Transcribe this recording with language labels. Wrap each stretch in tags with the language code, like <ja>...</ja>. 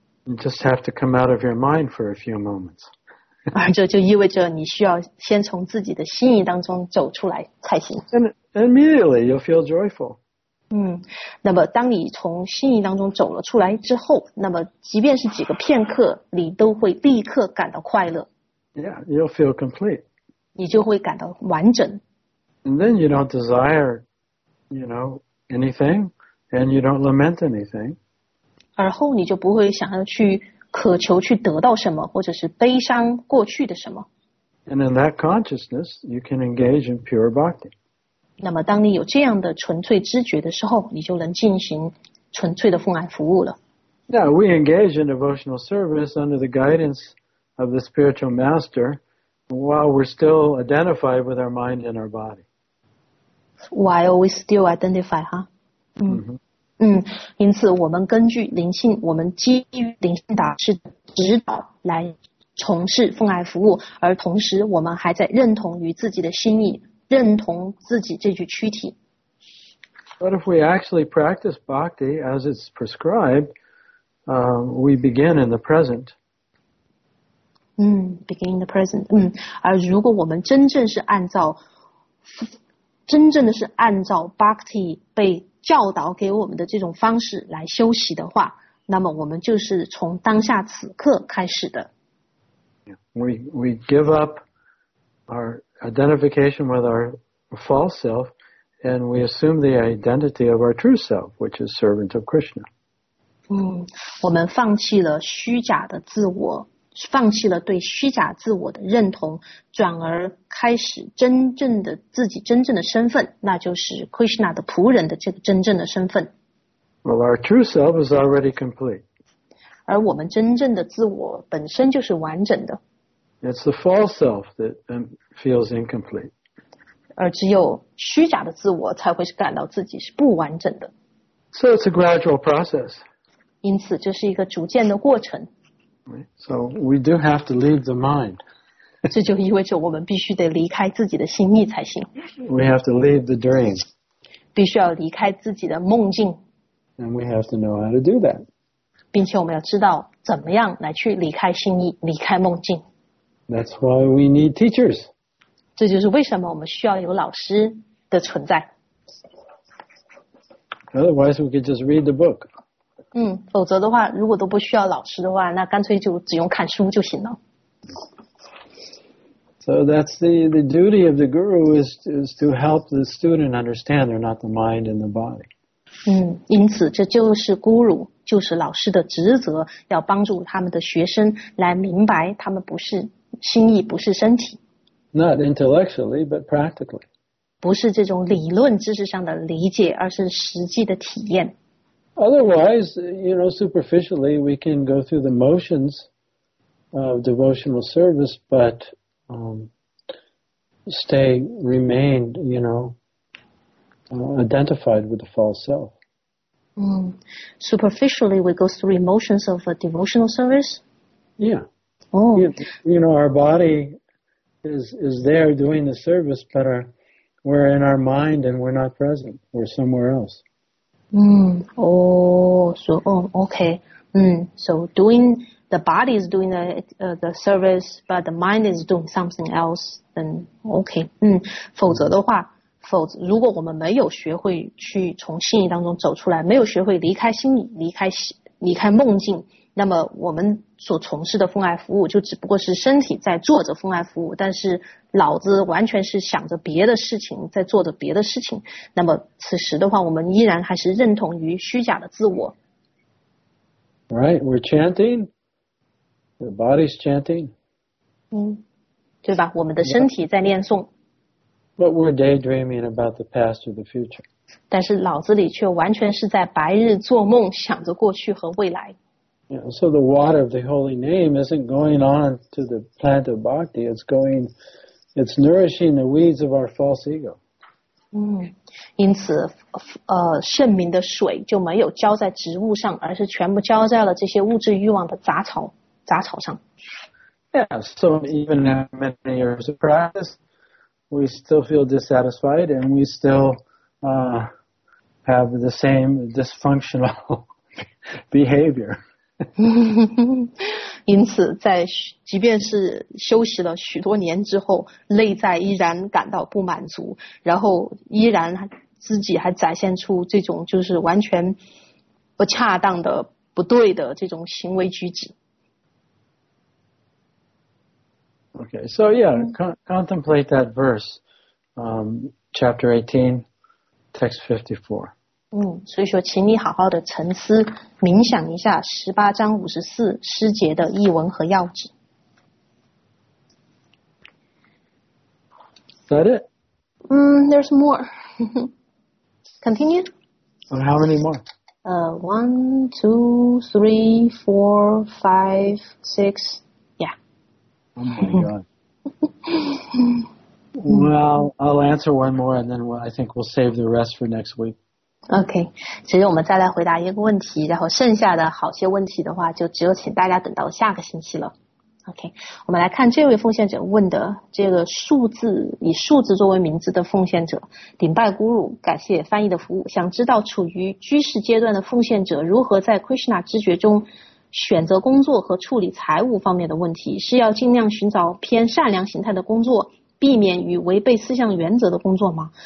<en>You just have to come out of your mind for a few moments.</en> <zh>而这就意味着你需要先从自己的心意当中走出来才行。</zh> <en>And immediately you'll feel joyful.</en> <zh>那么当你从心意当中走了出来之后，那么即便是几个片刻，你都会立刻感到快乐。</zh> <en>Yeah, you'll feel complete.</en> <zh>你就会感到完整。</zh> <en>And then you don't desire, anything, and you don't lament anything.</en> <zh>而后你就不会想要去渴求去得到什么，或者是悲伤过去的什么。</zh> <en>And in that consciousness, you can engage in pure bhakti.</en> <zh>那么当你有这样的纯粹知觉的时候，你就能进行纯粹的奉爱服务了。</zh> <en>Yeah, we engage in devotional service under the guidance of the spiritual master while we're still identified with our mind and our body. While we still identify, huh? Mm-hmm.</en> <zh>因此我们根据灵性，我们基于灵性导师指导来从事奉爱服务，而同时我们还在认同于自己的心意，认同自己这具躯体。</zh> <en>But if we actually practice bhakti as it's prescribed, we begin in the present. Begin in the present.</en> <zh>而如果我们真正的是按照 bhakti 被教导给我们的这种方式来休息的话，那么我们就是从当下此刻开始的。</zh> <en>We give up our identification with our false self, and we assume the identity of our true self, which is servant of Krishna.</en> <zh>我们放弃了虚假的自我，放弃了对虚假自我的认同，转而开始真正的自己真正的身份，那就是 Krishna 的仆人的这个真正的身份。</zh> <en>Well, our true self is already complete.</en> <zh>而我们真正的自我本身就是完整的。</zh> <en>It's the false self that feels incomplete.</en> <zh>而只有虚假的自我才会感到自己是不完整的。</zh> <en>So it's a gradual process.</en> <zh>因此这是一个逐渐的过程。</zh> <en>So we do have to leave the mind.</en> <zh>这就意味着我们必须得离开自己的心意才行。</zh> <en>We have to leave the dream.</en> <zh>必须要离开自己的梦境。</zh> <en>And we have to know how to do that.</en> <zh>并且我们要知道怎么样来去离开心意，离开梦境。</zh> <en>That's why we need teachers.</en> <zh>这就是为什么我们需要有老师的存在。</zh> <en>Otherwise, we could just read the book.</en> <zh>否则的话，如果都不需要老师的话，那干脆就只用看书就行了。</zh> <en>So that's the duty of the guru is to help the student understand they're not the mind and the body.</en> <zh>因此这就是 guru, 就是老师的职责，要帮助他们的学生来明白他们不是心意，不是身体。</zh> <en>Not intellectually, but practically.</en> <zh>不是这种理论知识上的理解，而是实际的体验。</zh> <en>Otherwise, superficially, we can go through the motions of devotional service, but remain identified with the false self. Superficially, we go through motions of a devotional service? Yeah. Oh. Our body is there doing the service, but we're in our mind and we're not present. We're somewhere else. So doing the body is doing the service, but the mind is doing something else. Then okay,</en> <zh>否则的话，否则如果我们没有学会去从心意当中走出来，没有学会离开心意，离开梦境，那么我们所从事的奉爱服务就只不过是身体在做着奉爱服务，但是脑子完全是想着别的事情，在做着别的事情。那么此时的话，我们依然还是认同于虚假的自我。</zh> <en>Right, we're chanting. The body's chanting.</en> <zh>对吧？我们的身体在念诵。</zh> <en>But we're daydreaming about the past or the future.</en> <zh>但是脑子里却完全是在白日做梦，想着过去和未来。</zh> <en>So the water of the holy name isn't going on to the plant of bhakti, it's nourishing the weeds of our false ego.</en> <zh>因此圣名的水就没有浇在植物上，而是全部浇在了这些物质欲望的杂草上。</zh> <en>Yeah, so even after many years of practice, we still feel dissatisfied and we still have the same dysfunctional behavior.</en> <zh>因此在即便是休息了许多年之后，内在依然感到不满足，然后依然自己还展现出这种就是完全不恰当的不对的这种行为举止。</zh> <en>OK, so yeah, contemplate that verse, chapter 18, text 54.</en> <zh>所以说请你好好的沉思冥想一下十八章五十四诗节的译文和要旨。</zh> <en>Is that it? There's more. Continue. And how many more? One, two, three, four, five, six. Yeah. Oh my god. Well, I'll answer one more and then I think we'll save the rest for next week.</en> <zh>OK, 其实我们再来回答一个问题，然后剩下的好些问题的话就只有请大家等到下个星期了。 OK, 我们来看这位奉献者问的这个数字，以数字作为名字的奉献者，顶拜咕噜，感谢翻译的服务，想知道处于居士阶段的奉献者如何在 Krishna 知觉中选择工作和处理财务方面的问题，是要尽量寻找偏善良形态的工作，避免与违背四项原则的工作吗？</zh>